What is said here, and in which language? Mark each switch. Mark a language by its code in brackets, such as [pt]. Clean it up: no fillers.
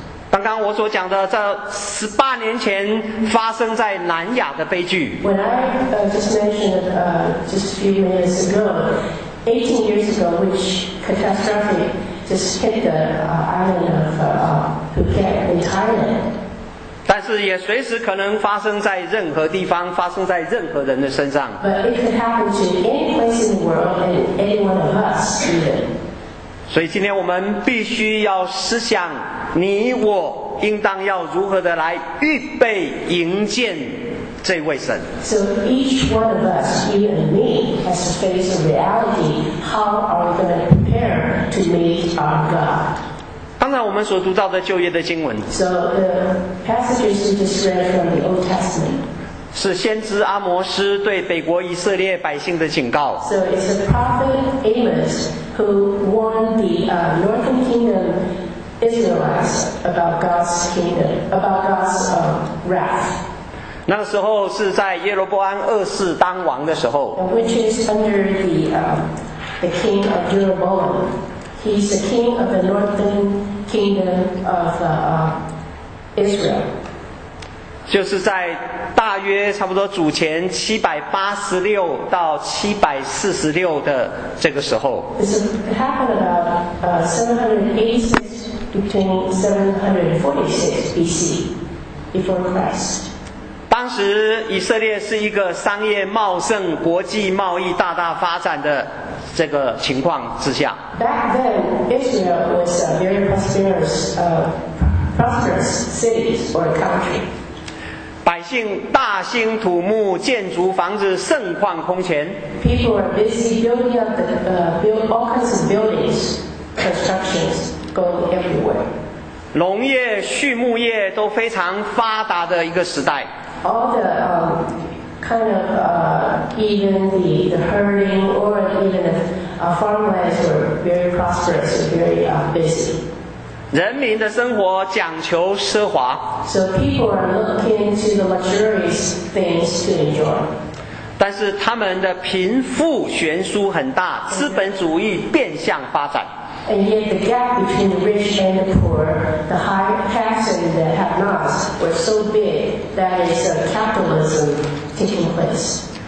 [zh] 刚刚我所讲的这18年前发生在南亚的悲剧。 [en] When I just mentioned just a few minutes ago, 18 years ago, which catastrophe just hit the island of Phuket in Thailand. [zh] 但是也随时可能发生在任何地方，发生在任何人的身上。 [en] But it could happen to any place in the world and any one of us even. [zh] 所以今天我们必须要思想，你我应当要如何的来预备迎接这位神。 [en] So each one of us, you and me, has to face the reality. How are we going to prepare to meet our God? [zh] 刚才我们所读到的旧约的经文。 [en] So the passages we just read from the Old Testament. [zh] 是先知阿摩斯对北国以色列百姓的警告。 [en] So it's the prophet Amos who warned the northern kingdom Israelites about God's kingdom, about God's wrath. [zh] 那个时候是在耶罗波安二世当王的时候。 [en] Which is under the king of Jeroboam. He's the king of the northern kingdom of Israel. [zh] 就是在大约差不多主前786到746的这个时候。 [en] It happened about 786 between 746 BC before Christ. [zh] 当时以色列是一个商业茂盛、国际贸易大大发展的这个情况之下。 [en] Back then, Israel was a very prosperous, prosperous city or country. [zh] 百姓大兴土木，建筑房子盛况空前。 [en] People are busy building up the build all kinds of buildings, constructions going everywhere. [zh] 农业、畜牧业都非常发达的一个时代。 [en] All the kind of even the herding or even the farmlands were very prosperous, very busy. [zh] 人民的生活讲求奢华。 [en] So people are looking to the luxurious things to enjoy. [zh] 但是他们的贫富悬殊很大，资本主义变相发展。 [en] And yet the gap between the rich and the poor, the high has and the have nots, were so big that is capitalism taking place.